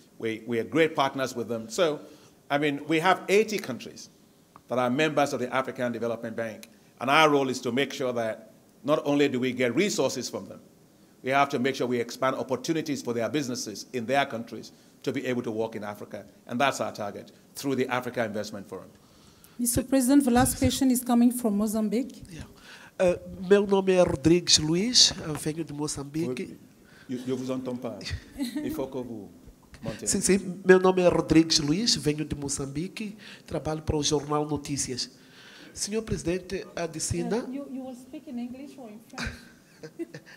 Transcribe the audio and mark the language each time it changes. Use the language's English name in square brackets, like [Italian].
[English] We are great partners with them. So, I mean, we have 80 countries that are members of the African Development Bank. And our role is to make sure that not only do we get resources from them, We have to make sure we expand opportunities for their businesses in their countries to be able to work in Africa. And that's our target through the Africa Investment Forum. Mr. President, the last question is coming from Mozambique. [Portuguese] Meu nome é Rodrigues Luiz, eu venho de Moçambique. Eu vos entendo [French] pas. Il faut que vous montiez. [Portuguese] Sim, sim. Meu nome é Rodrigues Luiz, venho de Moçambique, trabalho para o jornal Notícias. Senhor Presidente Adesina. [English] You will speak in English or in French?